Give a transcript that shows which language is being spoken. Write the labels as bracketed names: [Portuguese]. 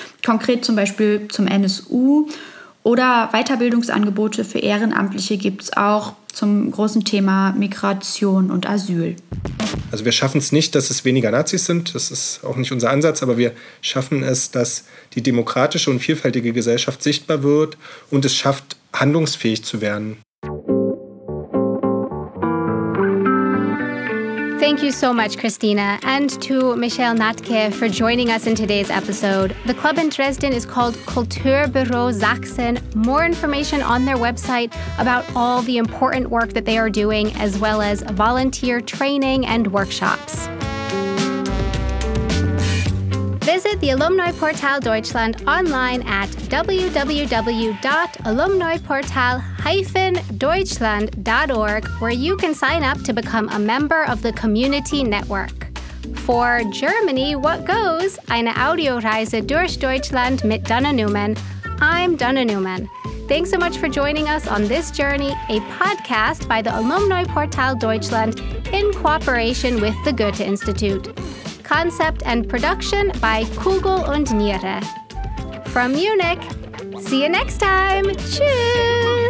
[German] Konkret zum Beispiel zum NSU. Oder Weiterbildungsangebote für Ehrenamtliche gibt es auch zum großen Thema Migration und Asyl. Also wir schaffen es nicht, dass es weniger Nazis sind. Das ist auch nicht unser Ansatz. Aber wir schaffen es, dass die demokratische und vielfältige Gesellschaft sichtbar wird und es schafft, handlungsfähig zu werden. [English] Thank you so much, Christina, and to Michelle Natke for joining us in today's episode. The club in Dresden is called Kulturbüro Sachsen. More information on their website about all the important work that they are doing, as well as volunteer training and workshops. Visit the Alumni Portal Deutschland online at www.alumniportal-deutschland.org, where you can sign up to become a member of the community network. For Germany, what goes? [German] Eine Audioreise durch Deutschland mit Dana Neumann. [English] I'm Dana Neumann. Thanks so much for joining us on this journey, a podcast by the Alumni Portal Deutschland in cooperation with the Goethe Institute. Concept and production by Kugel und Niere. From Munich, see you next time. [German] Tschüss!